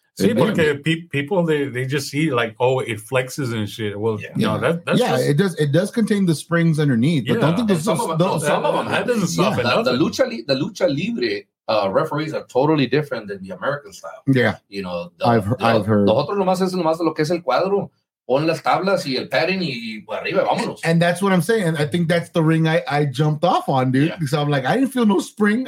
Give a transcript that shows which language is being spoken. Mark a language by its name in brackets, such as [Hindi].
[English] See, people they just see like, oh, it flexes and shit. Well, it does. It does contain the springs underneath. But don't think some of them doesn't soften. The lucha libre. Referees are totally different than the American style. Yeah. I've heard. [Spanish] Nosotros nomás lo que es el cuadro, pon las tablas y el padding y arriba, vámonos. [English] And that's what I'm saying. I think that's the ring I jumped off on, dude. Yeah. Because I'm like, I didn't feel no spring.